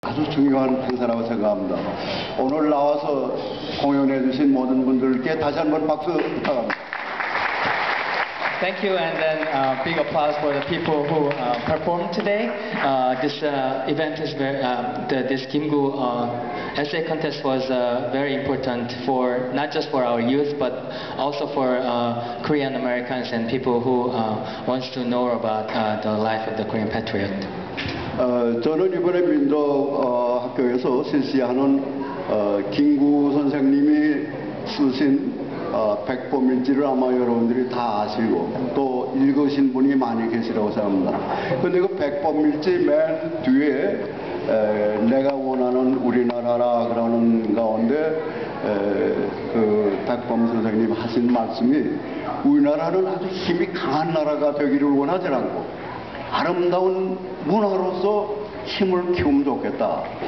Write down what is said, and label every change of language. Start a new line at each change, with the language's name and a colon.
Korean: 아주 중요한 행사라고 생각합니다. 오늘 나와서 공연해 주신 모든 분들께 다시 한번 박수 부탁합니다.
English: Thank you, and then a big applause for the people who performed today. This event is very, this Gimgu essay contest was very important for not just for our youth, but also for Korean Americans and people who wants to know about the life of the Korean patriot.
Korean: 저는 이번에 민도 학교에서 실시하는 김구 선생님이 쓰신 백범일지를 아마 여러분들이 다 아시고 또 읽으신 분이 많이 계시라고 생각합니다. 그런데 그 백범일지 맨 뒤에 내가 원하는 우리나라라 그러는 가운데 그 백범 선생님 하신 말씀이 우리나라는 아주 힘이 강한 나라가 되기를 원하지 않고 아름다운 문화로서 힘을 키우면 좋겠다.